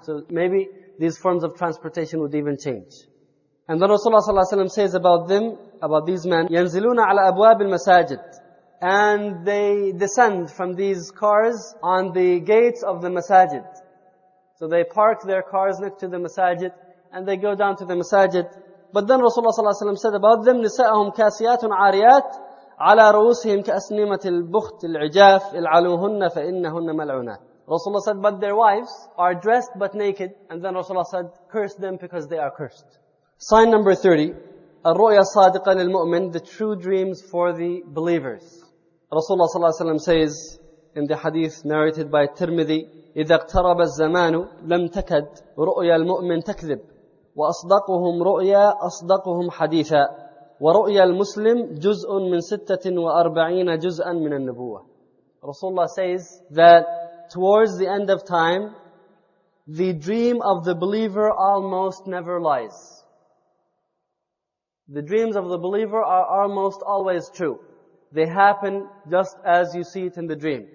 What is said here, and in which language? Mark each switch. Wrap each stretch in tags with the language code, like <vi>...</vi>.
<en>So maybe these forms of transportation would even change. And then Rasulullah sallallahu alayhi wa sallam says about them, about these men,</en> <ar>يَنزِلُونَ عَلَى أَبْوَابِ الْمَسَاجِدِ.</ar> <en>And they descend from these cars on the gates of the masajid. So they park their cars next to the masajid and they go down to the masajid. But then Rasulullah ﷺ said about them,</en> <ar>نِسَاءُهُمْ كَاسِيَاتٌ عَارِيَاتٌ عَلَى رُؤُسِهِمْ كَأَسْنِمَةِ الْبُخْتِ الْعِجَافِ الْعَلُوهُنَّ فَإِنَّهُنَّ مَلْعُونَةٌ.</ar> <en>Rasulullah said, but their wives are dressed but naked. And then Rasulullah said, curse them because they are cursed. Sign number 30.</en> <ar>الرؤيا الصادقة للمؤمن,</ar> <en>the true dreams for the believers. Rasulullah sallallahu alayhi wa sallam says in the hadith narrated by Tirmidhi,</en> <ar>إِذَا اقْتَرَبَ الزَّمَانُ لَمْ تَكَدْ رُؤْيَا الْمُؤْمِنِ تَكْذِبْ وَأَصْدَقُهُمْ رُؤْيَا أَصْدَقُهُمْ حَدِيثًا وَرُؤْيَا الْمُسْلِمِ جُزْءٌ مِنْ 46 جُزْءًا مِنَ النُّبُوَّةِ.</ar> <en>Rasulullah says that towards the end of time, the dream of the believer almost never lies. The dreams of the believer are almost always true. They happen just as you see it in the dream.</en>